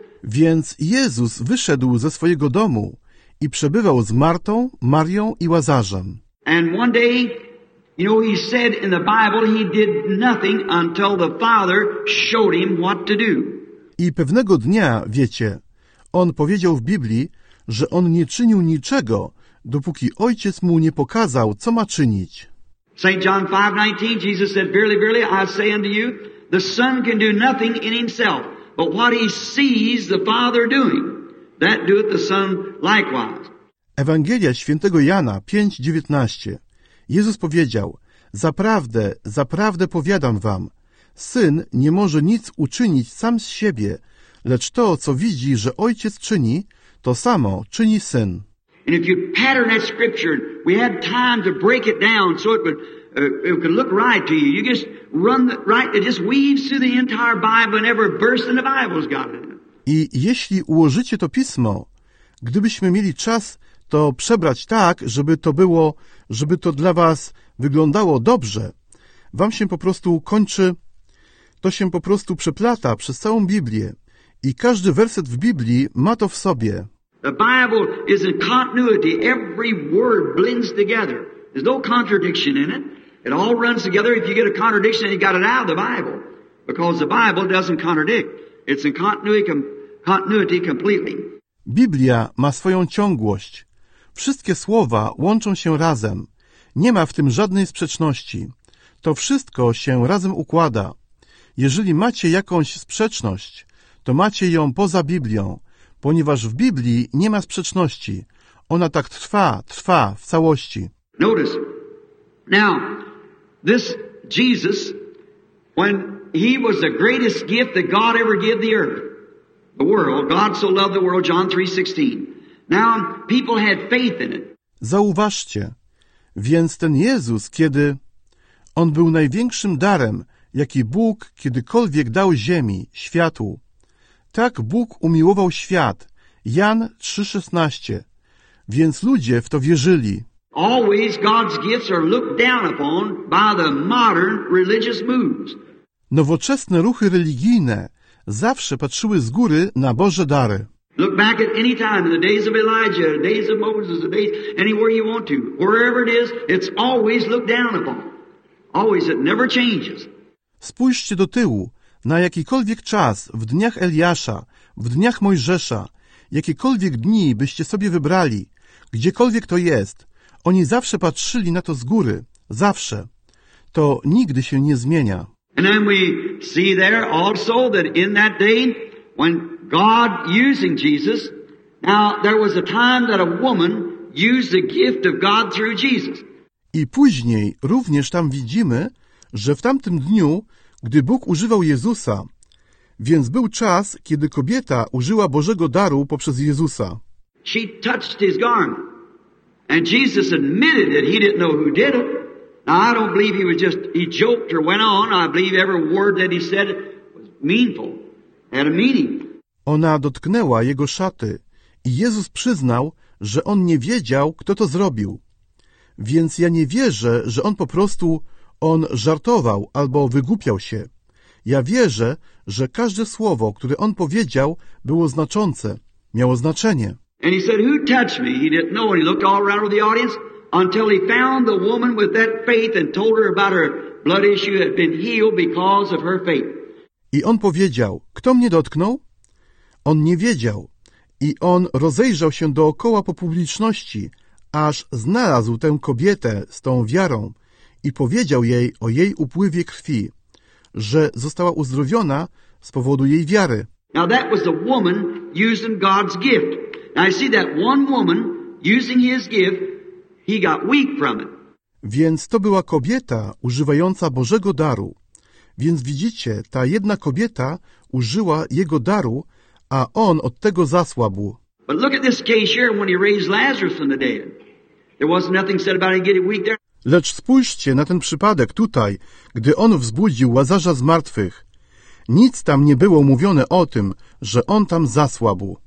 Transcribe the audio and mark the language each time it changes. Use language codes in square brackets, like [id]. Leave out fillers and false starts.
[pl] Więc Jezus wyszedł ze swojego domu i przebywał z Martą, Marią i Łazarzem. [en] And one day, you know, he said in the Bible he did nothing until the Father showed him what to do. [pl] I pewnego dnia, wiecie, on powiedział w Biblii, że on nie czynił niczego, dopóki Ojciec mu nie pokazał, co ma czynić. [en] St. John 5:19, Jesus said, Verily, verily, I say unto you, the Son can do nothing in himself, but what he sees the Father doing, that doeth the Son likewise. [pl] Ewangelia Świętego Jana 5:19. Jezus powiedział, Zaprawdę, zaprawdę powiadam wam, Syn nie może nic uczynić sam z siebie, lecz to, co widzi, że Ojciec czyni, to samo czyni Syn. [en] And if you pattern that scripture, we had time to break it down so it could look right to you. You just run the, right, it just weaves through the entire Bible and every verse in the Bible's got it. [pl] I jeśli ułożycie to pismo, gdybyśmy mieli czas to przebrać tak, żeby to dla was wyglądało dobrze, wam się po prostu kończy. To się po prostu przeplata przez całą Biblię i każdy werset w Biblii ma to w sobie. [en] The Bible is in continuity. Every word blends together. There's no contradiction in it. It all runs together. If you get a contradiction, you got it out of the Bible. Because the Bible doesn't contradict. It's in continuity completely. [pl] Biblia ma swoją ciągłość. Wszystkie słowa łączą się razem. Nie ma w tym żadnej sprzeczności. To wszystko się razem układa. Jeżeli macie jakąś sprzeczność, to macie ją poza Biblią, ponieważ w Biblii nie ma sprzeczności. Ona tak trwa w całości. [en] Notice. Now, this Jesus, when he was the greatest gift that God ever gave the earth, the world, God so loved the world, John 3:16. Now, people had faith in it. [pl] Zauważcie. Więc ten Jezus, kiedy on był największym darem, jaki Bóg kiedykolwiek dał ziemi, światu. Tak Bóg umiłował świat. Jan 3:16. Więc ludzie w to wierzyli. [en] Always God's gifts are looked down upon by the modern religious moves. [pl] Nowoczesne ruchy religijne zawsze patrzyły z góry na Boże dary. [en] Look back at any time in the days of Elijah, the days of Moses, the days anywhere you want to. Wherever it is, it's always looked down upon. Always, it never changes. [pl] Spójrzcie do tyłu, na jakikolwiek czas, w dniach Eliasza, w dniach Mojżesza, jakiekolwiek dni byście sobie wybrali, gdziekolwiek to jest, oni zawsze patrzyli na to z góry, zawsze. To nigdy się nie zmienia. [en] And then we see there also that in that day, when God using Jesus, now there was a time that a woman used the gift of God through Jesus. [pl] I później również tam widzimy, że w tamtym dniu, gdy Bóg używał Jezusa, więc był czas, kiedy kobieta użyła Bożego daru poprzez Jezusa. [en] She touched his garment, and Jesus admitted that he didn't know who did it. Now, I don't believe he joked or went on. I believe every word that he said was meaningful, had a meaning. [pl] Ona dotknęła jego szaty i Jezus przyznał, że on nie wiedział, kto to zrobił. Więc ja nie wierzę, że on po prostu... On żartował albo wygłupiał się. Ja wierzę, że każde słowo, które on powiedział, było znaczące, miało znaczenie. [en] And he said, "Who touched me?" He didn't know, and he looked all around the audience until he found the woman with that faith and told her about her blood issue had been healed because of her faith. [pl] I on powiedział, "Kto mnie dotknął?" On nie wiedział. I on rozejrzał się dookoła po publiczności, aż znalazł tę kobietę z tą wiarą. I powiedział jej o jej upływie krwi, że została uzdrowiona z powodu jej wiary. [en] Now that was the woman using God's gift. Now I see that one woman using his gift, he got weak from it. [pl] Więc to była kobieta używająca Bożego daru. Więc widzicie, ta jedna kobieta użyła jego daru, a on od tego zasłabł. [en] But look at this case here when he raised Lazarus from the dead. There was nothing said about him getting weak there. [pl] Lecz spójrzcie na ten przypadek tutaj, gdy on wzbudził Łazarza z martwych. Nic tam nie było mówione o tym, że on tam zasłabł.